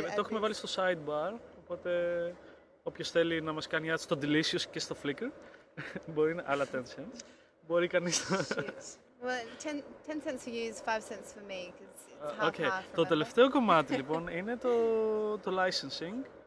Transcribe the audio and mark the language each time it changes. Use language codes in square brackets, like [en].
[el] Το έχουμε βάλει στο sidebar, οπότε... Όποιος θέλει να μας κάνει ads στο Delicious και στο Flickr, μπορεί να... Άλλα 10 cents. Μπορεί κανείς να... [en] Well, 10 cents for you is 5 cents for me, because it's half-half. Okay. [el] Το τελευταίο κομμάτι, λοιπόν, είναι το licensing.